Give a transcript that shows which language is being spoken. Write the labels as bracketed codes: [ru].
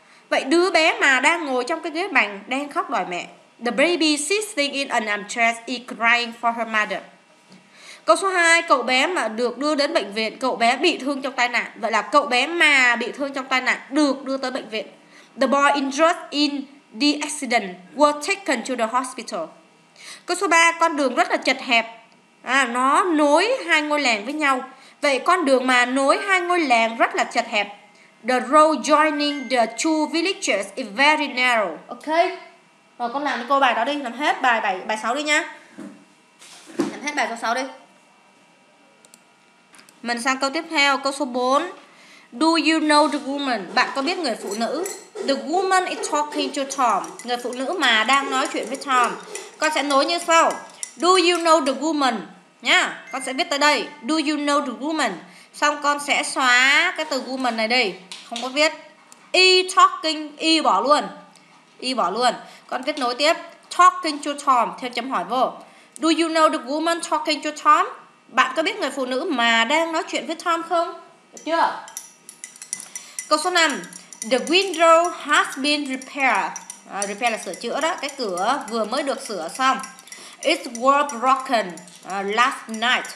[vi] Vậy đứa bé mà đang ngồi trong cái ghế bằng đang khóc đòi mẹ. [en] The baby sitting in an armchair is crying for her mother. [vi] Câu số 2, cậu bé mà được đưa đến bệnh viện, cậu bé bị thương trong tai nạn. Vậy là cậu bé mà bị thương trong tai nạn được đưa tới bệnh viện. [en] The boy injured in the accident was taken to the hospital. [vi] Câu số 3, con đường rất là chật hẹp. Nó nối hai ngôi làng với nhau. Vậy con đường mà nối hai ngôi làng rất là chật hẹp. [en] The road joining the two villages is very narrow. Ok. [vi] Rồi con làm cho cô bài đó đi, làm hết bài 7, bài 6 đi nha. Làm hết bài số 6 đi. Mình sang câu tiếp theo, câu số 4. [en] Do you know the woman? [vi] Bạn có biết người phụ nữ? [en] The woman is talking to Tom. [vi] Người phụ nữ mà đang nói chuyện với Tom. Con sẽ nối như sau. [en] Do you know the woman? [vi] Nha, con sẽ viết tới đây. [en] Do you know the woman? [vi] Xong con sẽ xóa cái từ woman này đi. Không có viết. Y talking, y bỏ luôn. Y bỏ luôn. Con viết nối tiếp. [en] Talking to Tom, [vi] thêm chấm hỏi vô. [en] Do you know the woman talking to Tom? [vi] Bạn có biết người phụ nữ mà đang nói chuyện với Tom không? Được chưa? Câu số 5. [en] The window has been repaired. [vi] Repair là sửa chữa đó. Cái cửa vừa mới được sửa xong. [en] It was broken last night.